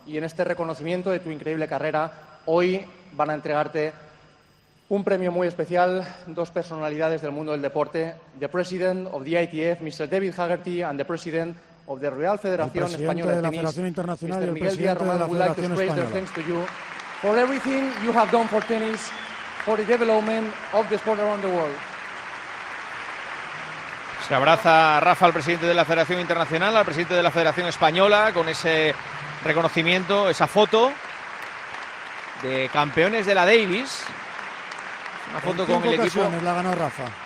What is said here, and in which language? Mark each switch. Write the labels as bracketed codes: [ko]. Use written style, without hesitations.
[es] Y en este reconocimiento de tu increíble carrera, hoy van a entregarte un premio muy especial, dos personalidades del mundo del deporte: [en] the President of the ITF, Mr. David Haggerty, and the President of the Real Federación Española de Tenis. [es] El presidente de la Federación Internacional y el presidente de la Federación Española. [en] Thanks to you for everything you have done for tennis, for the development of the sport around the world. [es] Se abraza Rafa al presidente de la Federación Internacional, al presidente de la Federación Española, con ese reconocimiento, esa foto de campeones de la Davis. Una foto con el equipo. ¿Cuántas ocasiones la ganó Rafa?